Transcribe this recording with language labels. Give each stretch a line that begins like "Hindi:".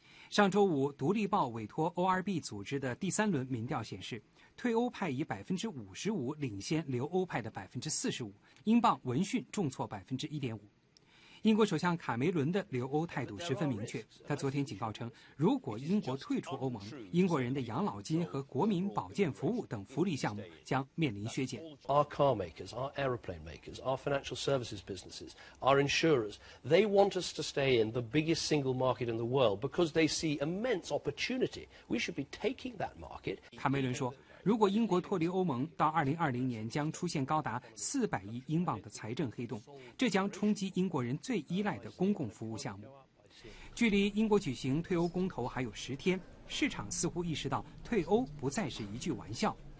Chinese: 上周五，独立报委托 ORB 组织的第三轮民调显示，退欧派以55%领先留欧派的45%，英镑闻讯重挫1.5%。英国首相卡梅伦的留欧态度十分明确，他昨天警告称，如果英国退出欧盟，英国人的养老金和国民保健服务等福利项目将面临削减。
English: Our car makers, our aeroplane makers, our financial services businesses, our insurers, they want us to stay in the biggest single market in the world because they see immense opportunity. We should be taking that market.
Chinese: 卡梅伦说，如果英国脱离欧盟，到2020年将出现高达400亿英镑的财政黑洞，这将冲击英国人最依赖的公共服务项目。距离英国举行退欧公投还有10天，市场似乎意识到退欧不再是一句玩笑。